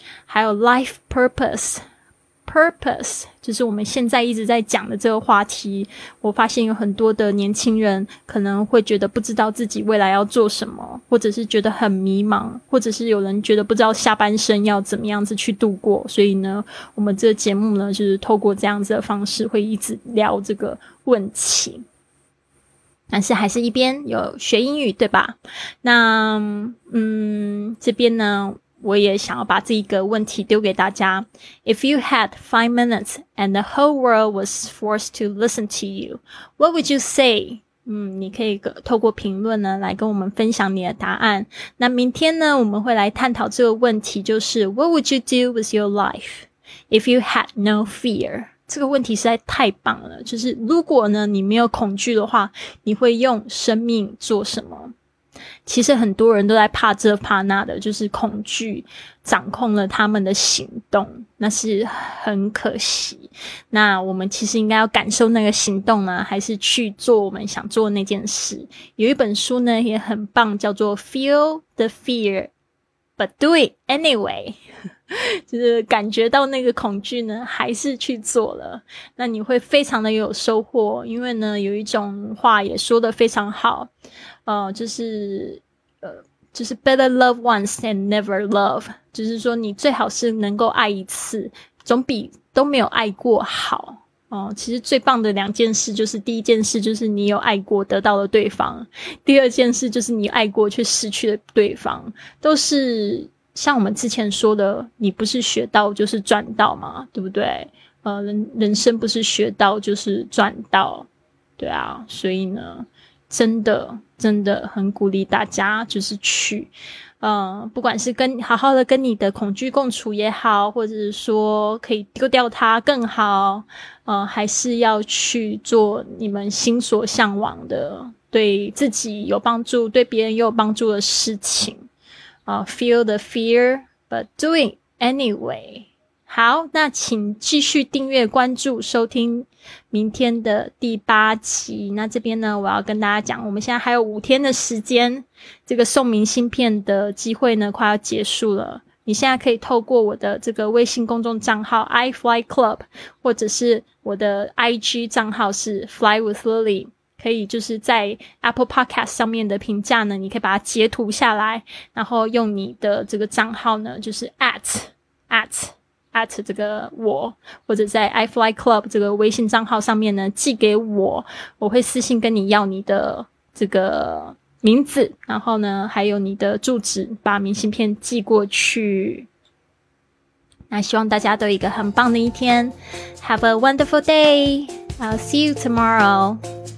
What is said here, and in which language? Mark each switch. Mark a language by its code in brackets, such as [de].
[zh] 还有 life purpose, purpose 就是我们现在一直在讲的这个话题，我发现有很多的年轻人可能会觉得不知道自己未来要做什么，或者是觉得很迷茫，或者是有人觉得不知道下半生要怎么样子去度过，所以呢我们这个节目呢就是透过这样子的方式会一直聊这个问题，但是还是一边有学英语，对吧？那这边呢我也想要把这一个问题丢给大家。 [en] If you had 5 minutes and the whole world was forced to listen to you, what would you say? [zh] 你可以透过评论呢来跟我们分享你的答案。那明天呢我们会来探讨这个问题，就是 [en] What would you do with your life if you had no fear? [zh] 这个问题实在太棒了，就是如果呢你没有恐惧的话，你会用生命做什么？其实很多人都在怕这怕那的，就是恐惧掌控了他们的行动，那是很可惜。那我们其实应该要感受那个行动呢，还是去做我们想做的那件事。有一本书呢也很棒，叫做 Feel the Fear But Do It Anyway。就是感觉到那个恐惧呢还是去做了，那你会非常的有收获。因为呢有一种话也说得非常好，就是 [en] better love once than never love, [zh] 就是说你最好是能够爱一次总比都没有爱过好。其实最棒的两件事，就是第一件事就是你有爱过得到了对方，第二件事就是你爱过却失去了对方，都是像我们之前说的，你不是学到就是赚到嘛，对不对？人生不是学到就是赚到，对啊。所以呢真的真的很鼓励大家就是去不管是跟好好的跟你的恐惧共处也好，或者是说可以丢掉它更好，还是要去做你们心所向往的，对自己有帮助对别人也有帮助的事情。 [en] Feel the fear, but do it anyway. [zh] 好，那请继续订阅、关注、收听明天的第八集。那这边呢，我要跟大家讲，我们现在还有5天的时间，这个送明信片的机会呢，快要结束了。你现在可以透过我的这个微信公众账号 iFly Club, 或者是我的 IG 账号是 Fly with Lily。可以就是在 Apple Podcast 上面的评价呢，你可以把它截图下来，然后用你的这个账号呢，就是 at 这个我，或者在 iFly Club 这个微信账号上面呢寄给我，我会私信跟你要你的这个名字，然后呢还有你的住址，把明信片寄过去。那希望大家都有一个很棒的一天， [en] Have a wonderful day, I'll see you tomorrow.